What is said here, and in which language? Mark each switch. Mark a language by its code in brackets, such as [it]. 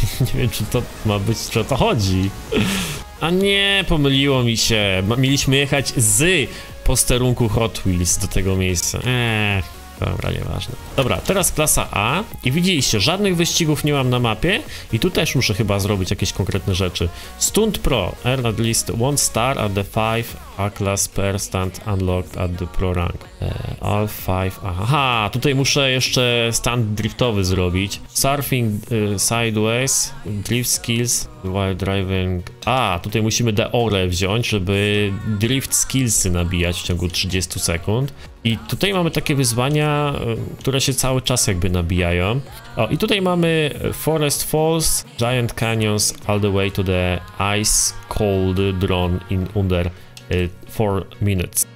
[pl] nie wiem, czy to ma być, czy o to chodzi. A nie, pomyliło mi się. Mieliśmy jechać z posterunku Hot Wheels do tego miejsca. Dobra, nieważne. Dobra, teraz klasa A. I widzieliście, żadnych wyścigów nie mam na mapie. I tu też muszę chyba zrobić jakieś konkretne rzeczy. [en] Stunt Pro. Earn at least one star at the 5 A-class per stunt unlocked at the pro rank. All 5... [pl] Aha, tutaj muszę jeszcze stunt driftowy zrobić. [en] Surfing sideways, drift skills while driving... [pl] A, tutaj musimy the ore wziąć, żeby drift skillsy nabijać w ciągu 30 sekund. I tutaj mamy takie wyzwania, które się cały czas jakby nabijają. O, i tutaj mamy [en] Forest Falls, Giant Canyons, all the way to the ice cold drone in under 4 minutes.